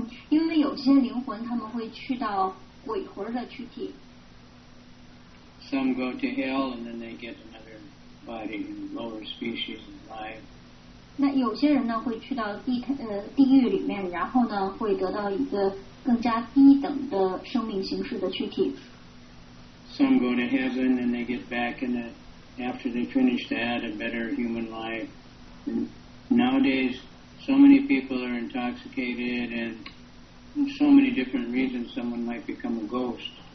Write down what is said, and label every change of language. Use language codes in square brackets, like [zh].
[zh] 因为有些灵魂他们会去到鬼魂的躯体。 [en] Some go to hell and then they get another body in lower species and live. [zh] 那有些人呢会去到地狱里面，然后呢会得到一个。更加低等的生命形式的躯体。 [en] Some go to heaven and they get back in after they finish that a better human life. And nowadays, so many people are intoxicated and so many different reasons someone might become a ghost.